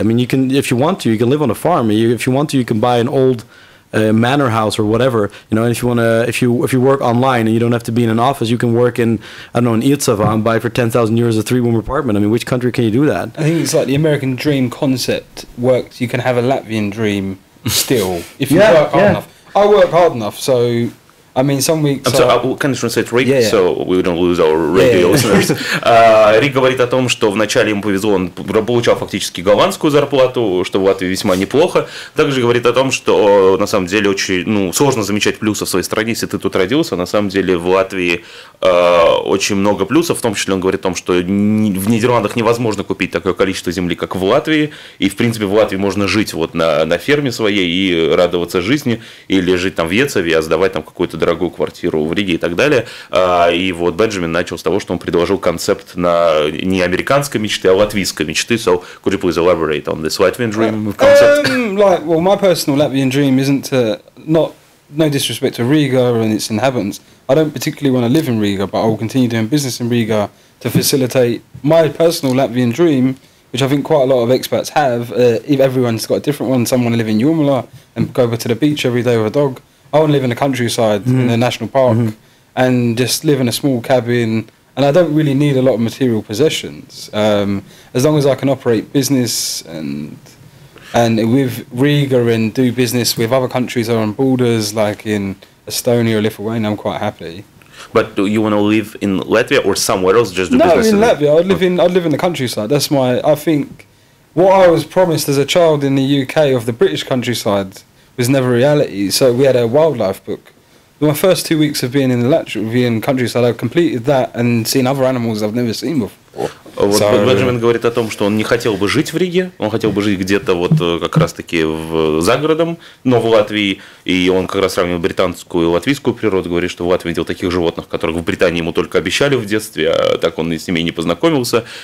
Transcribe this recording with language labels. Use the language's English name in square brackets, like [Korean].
[English] I mean, you can, if you want to, you can live on a farm. If you want to, you can buy an old manor house or whatever, you know. And if you want to, if you work online and you don't have to be in an office, you can work in, I don't know, in Irtsava and buy for 10,000 euros a three-room apartment. I mean, which country can you do that? I think it's like the American dream concept works. You can have a Latvian dream still if you work hard enough. I work hard enough, so I mean, some weeks. I'm sorry, I'll kind of translate Rick, so we don't lose our radio listeners. [Russian] Рик говорит о том, что вначале ему повезло, он получал фактически голландскую зарплату, что в Латвии весьма неплохо. Также говорит о том, что на самом деле очень, ну, сложно замечать плюсы в своей стране, если ты тут родился. На самом деле в Латвии очень много плюсов, в том числе он говорит о том, что в Нидерландах невозможно купить такое количество земли, как в Латвии. И, в принципе, в Латвии можно жить вот на ферме своей и радоваться жизни, или жить там в Ецеве, а сдавать там какую-то дорогую квартиру в Риге и так далее. И вот Бенджамин начал с того, что он предложил концепт на не американской мечты, а латвийской мечты. [English] So, could you please elaborate on this Latvian dream concept? My personal Latvian dream isn't to, not, no disrespect to Riga and its inhabitants. I don't particularly want to live in Riga, but I will continue doing business in Riga to facilitate my personal Latvian dream, which I think quite a lot of expats have. If everyone's got a different one, someone to live in Jumala and go over to the beach every day with a dog. I want to live in the countryside, in a national park, and just live in a small cabin. And I don't really need a lot of material possessions. As long as I can operate business and with Riga and do business with other countries on borders, like in Estonia or Lithuania, I'm quite happy. But do you want to live in Latvia or somewhere else just do business? No, in Latvia. I'd live in the countryside. That's my, I think, what I was promised as a child in the UK of the British countryside was never reality. So we had a wildlife book, My first 2 weeks of being in the Latvian countryside, I completed that and seen other animals I've never seen before. [Russian] Вот so, Бенджамин говорит о том, что он не хотел бы жить в Риге, он хотел бы жить где-то вот как раз-таки в, за городом, но в Латвии, и он как раз сравнивал британскую и латвийскую природу, говорит, что в Латвии видел таких животных, которых в Британии ему только обещали в детстве, а так он с ними и не познакомился.